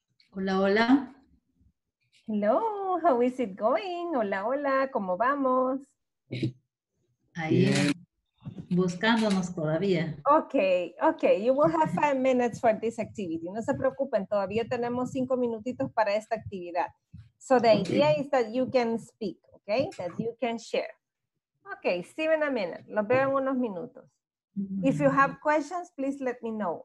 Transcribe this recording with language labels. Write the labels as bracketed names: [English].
[Spanish] Hola, hola. [English] Hello, how is it going? [Spanish] Hola, hola, ¿cómo vamos? Ahí, buscándonos todavía. [English] Okay, okay, you will have 5 minutes for this activity. [Spanish] No se preocupen, todavía tenemos 5 minutitos para esta actividad. [English] So the idea is that you can speak, okay? That you can share. Okay, see you in a minute. [Spanish] Los veo en unos minutos. [English] If you have questions, please let me know.